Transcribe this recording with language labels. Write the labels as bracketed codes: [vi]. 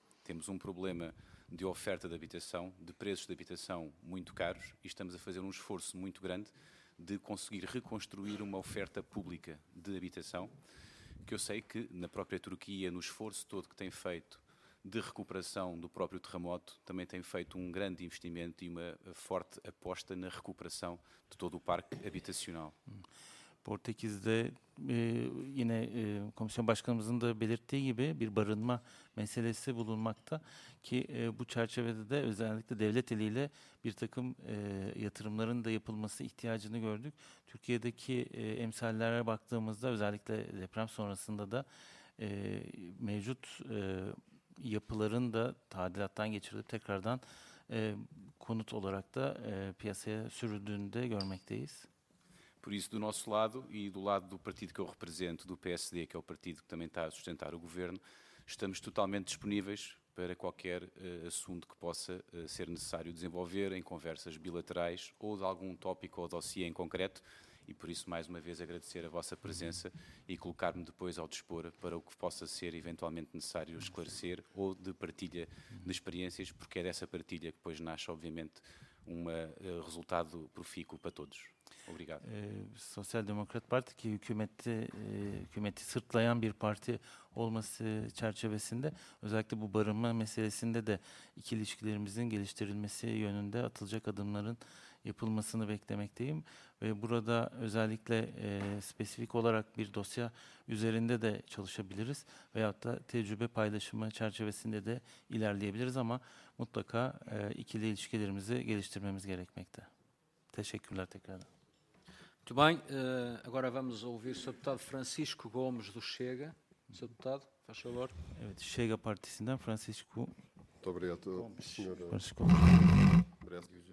[pt] Temos um problema de oferta de habitação, de preços de habitação muito caros, e estamos a fazer um esforço muito grande de conseguir reconstruir uma oferta pública de habitação, que eu sei que na própria Turquia, no esforço todo que tem feito de recuperação do próprio terremoto, também tem feito um grande investimento e uma forte aposta na recuperação de todo o parque habitacional. [tr] Portekiz'de yine komisyon başkanımızın da belirttiği gibi bir barınma meselesi bulunmakta ki bu çerçevede de özellikle devlet eliyle bir takım yatırımların da yapılması ihtiyacını gördük. Türkiye'deki emsallere baktığımızda özellikle deprem sonrasında da mevcut yapıların da tadilattan geçirilip tekrardan konut olarak da piyasaya sürüldüğünü de görmekteyiz. [pt] Por isso, do nosso lado e do lado do partido que eu represento, do PSD, que é o partido que também está a sustentar o governo, estamos totalmente disponíveis para qualquer assunto que possa ser necessário desenvolver em conversas bilaterais ou de algum tópico ou dossiê em concreto. E por isso, mais uma vez, agradecer a vossa presença e colocar-me depois ao dispor para o que possa ser eventualmente necessário esclarecer ou de partilha de experiências, porque é dessa partilha que depois nasce, obviamente, um resultado profícuo para todos. Obrigado. [tr] Sosyal Demokrat Parti ki hükümeti sırtlayan bir parti olması çerçevesinde özellikle bu barınma meselesinde de iki ilişkilerimizin geliştirilmesi yönünde atılacak adımların yapılmasını beklemekteyim. Ve burada özellikle spesifik olarak bir dosya üzerinde de çalışabiliriz veyahut da tecrübe paylaşımı çerçevesinde de ilerleyebiliriz ama mutlaka ikili ilişkilerimizi geliştirmemiz gerekmekte. Teşekkürler tekrardan. [pt] Muito bem, agora vamos ouvir o Sr. Deputado Francisco Gomes do Chega. Sr. Deputado, faz favor. [tr] Evet, Chega partisinden Francisco. [pt] Muito obrigado, Sr. Francisco. Obrigado.